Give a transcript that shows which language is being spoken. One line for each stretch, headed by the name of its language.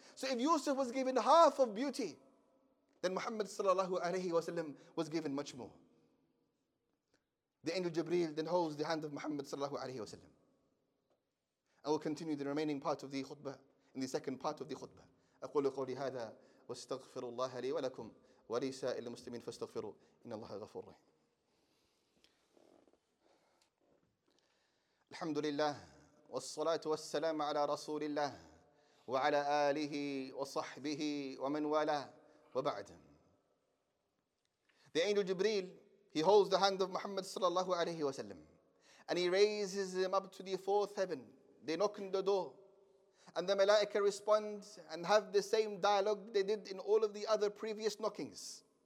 English: So if Yusuf was given half of beauty, then Muhammad sallallahu alayhi wa sallam was given much more. The angel Jibreel then holds the hand of Muhammad sallallahu alayhi wa sallam. I will continue the remaining part of the khutbah in the second part of the khutbah.
Arabic: أقول قولي هذا واستغفر الله لي ولكم ولسائر المسلمين فاستغفروا إن الله غفور رحيم. الحمد لله والصلاة والسلام على رسول الله وعلى آله وصحبه ومن والاه وبعد.
English: The angel Jibreel, he holds the hand of Muhammad sallallahu alayhi wa sallam, and he raises him up to the fourth heaven. They knock on the door, and the malaika responds and have the same dialogue they did in all of the other previous knockings.